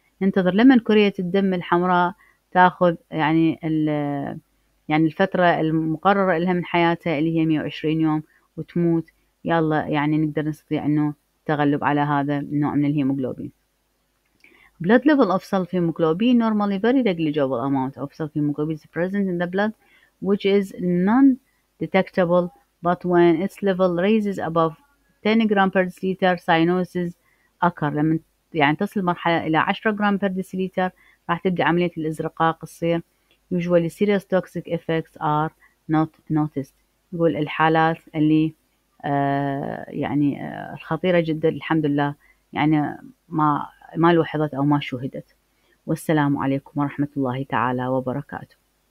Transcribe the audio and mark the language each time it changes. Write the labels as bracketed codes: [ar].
[ar] ننتظر لما كرية الدم الحمراء تاخذ يعني يعني الفترة المقررة لها من حياتها اللي هي 120 يوم وتموت، يلا يعني نقدر نستطيع انه تغلب على هذا النوع من الهيموغلوبين. [en] Blood level of sulfhemoglobin normally very negligible amount of sulfhemoglobin is present in the blood which is non-detectable, but when its level raises above 10 gram per deciliter cyanosis occur. [ar] لما يعني تصل مرحلة إلى [en] 10 gram per deciliter [ar] راح تبدأ عملية الإزرقاق تصير. [en] Usually serious toxic effects are not noticed. [ar] يقول الحالات اللي يعني الخطيرة جدا الحمد لله يعني ما لوحظت أو ما شوهدت. والسلام عليكم ورحمة الله تعالى وبركاته.